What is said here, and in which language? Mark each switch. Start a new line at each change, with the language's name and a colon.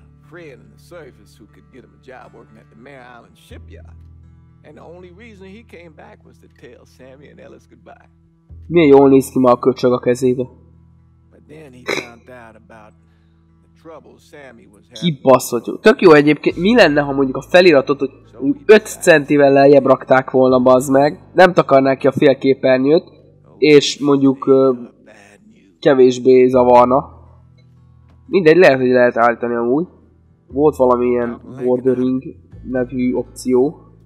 English: Friend in the service who could get him a job working at the Mare Island shipyard. And the only reason he came back was to tell Sammy and Ellis goodbye.
Hungarian: Milyen jól néz ki már a köcsög a kezébe.
English: But then he found out about the trouble Sammy was having.
Hungarian: Kibaszott jó. Tök jó egyébként. Mi lenne, ha mondjuk a feliratot, hogy 5 centivel lejjebb rakták volna, bazd meg. Nem takarnák ki a fél képernyőt. És mondjuk kevésbé zavarna. Mindegy, lehet, hogy lehet állítani amúgy. Volt valami ilyen bordering nevű opció.